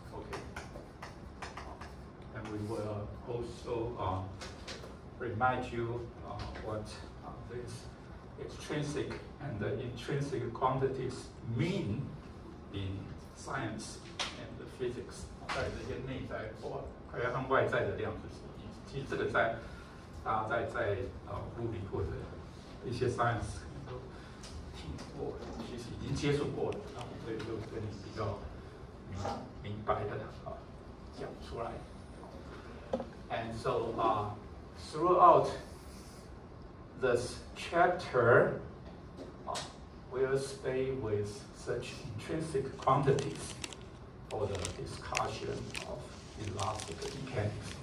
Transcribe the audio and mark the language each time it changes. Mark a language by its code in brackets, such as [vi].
[en] Okay. And we will also remind you what these extrinsic and the intrinsic quantities mean in science and the physics. [zh] 在这些内在或快要和外在的量是什么意思？其实这个在大家在物理或者一些 science 都听过，其实已经接触过了，所以就跟你比较明白的讲出来。 [en] And so throughout this chapter, we'll stay with such intrinsic quantities for the discussion of elastic mechanics.